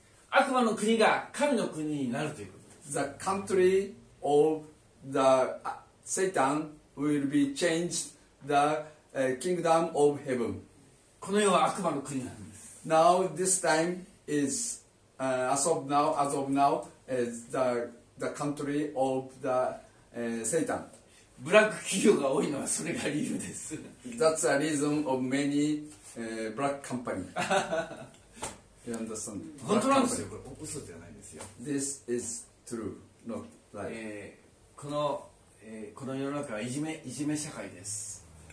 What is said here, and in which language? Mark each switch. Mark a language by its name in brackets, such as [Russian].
[Japanese] 悪魔の国が神の国になるということです。 [English] The country of the Satan will be changed the kingdom of heaven. [Japanese] この世は悪魔の国なんです。 [English] Now this time is as of now is the country of theSatan. [Japanese] ブラック企業が多いのはそれが理由です。 [English] That's a reason of many black company. You understand? [Japanese] 本当なんですよ。これ嘘じゃないですよ。 [English] This is true, not lie. [Japanese] この世の中はいじめ社会です。